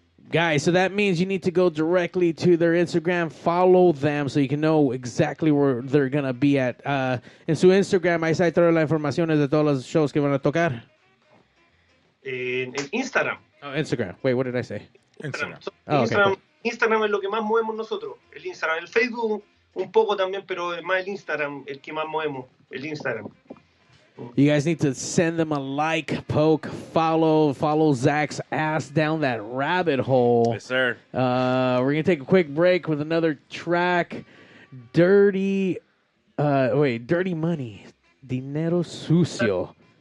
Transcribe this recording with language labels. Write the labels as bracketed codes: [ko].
[en] Guys, so that means you need to go directly to their Instagram, follow them so you can know exactly where they're going to be at. [es] En su Instagram, ahí está toda la información de todos los shows que van a tocar. En Instagram. [en] Oh, Instagram. Wait, what did I say? Instagram. Oh, okay. [es] Instagram es lo que más movemos nosotros, el Instagram. El Facebook un poco también, pero es más el Instagram el que más movemos, el Instagram. [en] You guys need to send them a like, poke, follow Zach's ass down that rabbit hole. Yes, sir. We're going to take a quick break with another track, Dirty Money, Dinero Sucio.